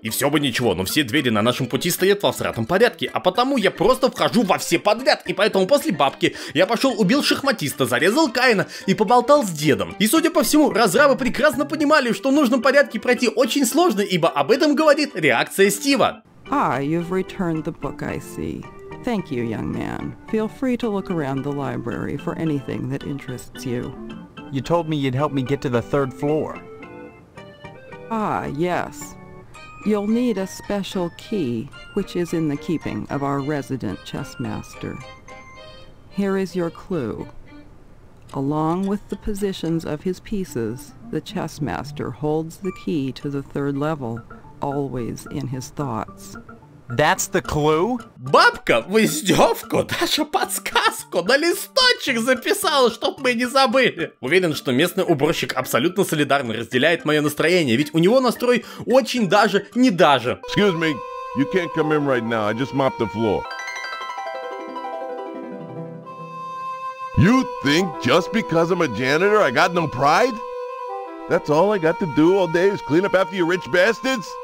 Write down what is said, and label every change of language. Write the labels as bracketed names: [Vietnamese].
[Russian] И все бы ничего, но все двери на нашем пути стоят во всратом порядке, а потому я просто вхожу во все подряд, и поэтому после бабки я пошел убил шахматиста, зарезал Каина и поболтал с дедом. И судя по всему, разрабы прекрасно понимали, что в нужном порядке пройти очень сложно, ибо об этом говорит реакция Стива. [English] Ah, you've returned the book, I see. Thank you, young man. Feel free to look around the library for anything that interests you. You told me you'd help me get to the third floor. Ah, yes. You'll need a special key, which is in the keeping of our resident chess master. Here is your clue. Along with the positions of his pieces, the chess master holds the key to the third level, always in his thoughts. That's the clue? [Russian] Бабка, в издевку, даже подсказку на листочек записала, чтоб мы не забыли. Уверен, что местный уборщик абсолютно солидарно разделяет мое настроение, ведь у него настрой очень даже не даже. [English] Excuse me, you can't come in right now, I just mopped the floor. You think just because I'm a janitor I got no pride? That's all I got to do all day is clean up after you rich bastards?